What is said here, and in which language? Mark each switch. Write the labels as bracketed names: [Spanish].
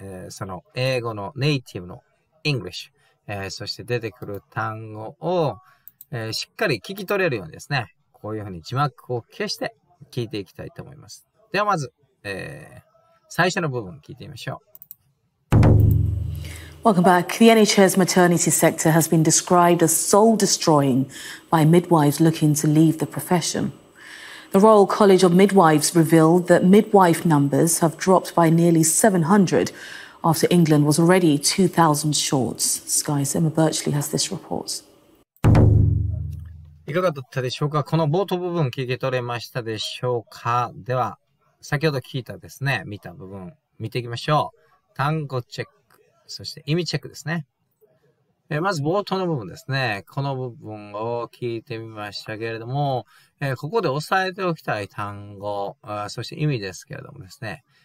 [Japanese] その英語のネイティブの English、そして出てくる単語を、しっかり聞き取れるようにですね、こういうふうに字幕を消して聞いていきたいと思います。ではまず、最初の部分聞いてみましょう。 [English] Welcome back. The NHS maternity sector has been described as soul destroying by midwives looking to leave the professionThe Royal College of Midwives revealed that midwife numbers have dropped by nearly 700 after England was already 2,000 short. Sky's Emma Birchley has this report. [Japanese] いかがだったでしょうか?この冒頭部分聞き取れましたでしょうか? では、先ほど聞いたですね、見た部分見ていきましょう。単語チェック、そして意味チェックですね。まず冒頭の部分ですね。この部分を聞いてみましたけれども、ここで押さえておきたい単語、そして意味ですけれどもですね。